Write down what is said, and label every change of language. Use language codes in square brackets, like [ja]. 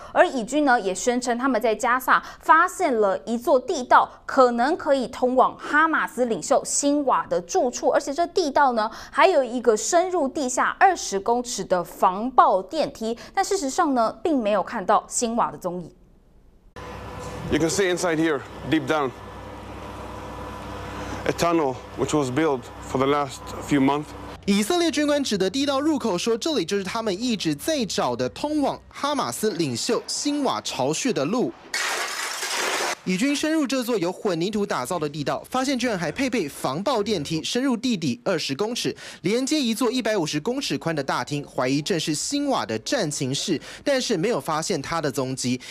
[zh] 而以军呢，也宣称他们在加萨发现了一座地道，可能可以通往哈马斯领袖辛瓦的住处，而且这地道呢，还有一个深入地下20公尺的防爆电梯。但事实上呢，并没有看到辛瓦的踪影。 [en] You can see inside here, deep down. A tunnel which was built for the last few months. [zh] 以色列军官指的地道入口说，这里就是他们一直在找的通往哈马斯领袖辛瓦巢穴的路。以军深入这座由混凝土打造的地道，发现居然还配备防爆电梯，深入地底20公尺，连接一座150公尺宽的大厅，怀疑正是辛瓦的战情室，但是没有发现他的踪迹。